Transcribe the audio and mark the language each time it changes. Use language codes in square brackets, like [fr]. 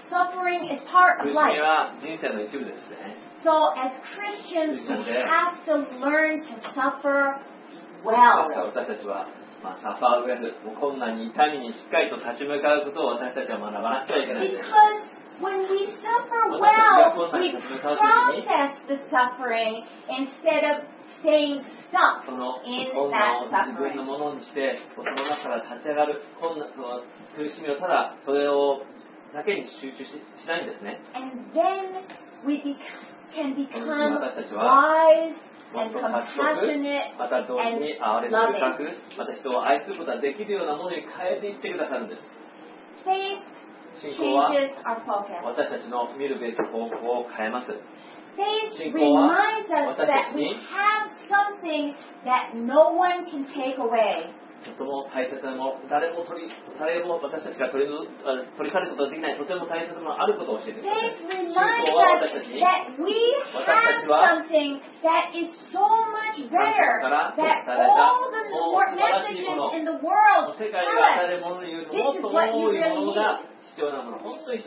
[en] Suffering is part of life. [ja] 苦しみは人生の一部ですね。 [en] So as Christians, we have to learn to suffer well. [ja] 私たちは、まあ、サファーウェル、困難に痛みにしっかりと立ち向かうことを私たちは学ばなくてはいけないです。 [en] Because when we suffer well, we process the suffering instead of staying stuck in that suffering. [ja] その自分のものにして、その中から立ち上がる困難を苦しみをただそれをだけに集中 しないんですね。 [en] And then we can become wise and compassionate [ja] また同時に哀れな深くまた人を愛することができるようなものに変えていってくださるんです。 [en] Faith [ja] 信仰は私たちの見るべき方向を変えます。 [en] Faith reminds us that we have something that no one can take away. [ja] とても大切なもの、誰も私たちが取り去ることができないとても大切なものがあることを教えてください。信仰は私たちに、私たちは、 [en] something that is so much better that all the important messages in the world tell us.